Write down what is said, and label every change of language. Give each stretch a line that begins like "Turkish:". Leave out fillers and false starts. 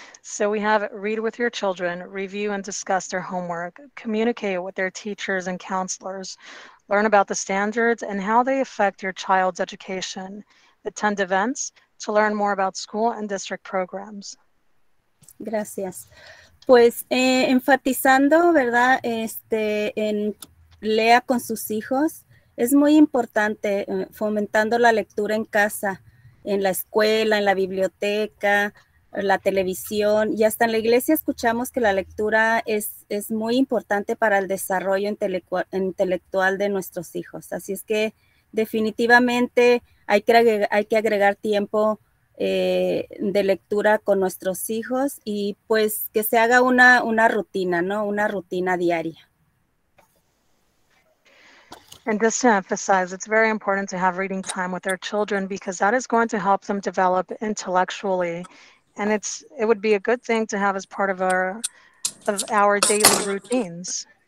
English: So we have read with your children, review and discuss their homework, communicate with their teachers and counselors, learn about the standards and how they affect your child's education, attend events to learn more about school and district programs.
Spanish: Gracias. Pues enfatizando, ¿verdad? En lea con sus hijos, es muy importante fomentando la lectura en casa, en la escuela, en la biblioteca, la televisión, y hasta en la iglesia escuchamos que la lectura es muy importante para el desarrollo intelectual de nuestros hijos. Así es que definitivamente hay que agregar tiempo de lectura con nuestros hijos y pues que se haga una rutina, ¿no? Una rutina diaria.
English: And just to emphasize, it's very important to have reading time with their children because that is going to help them develop intellectually. And it would be a good thing to have as part of our daily routines.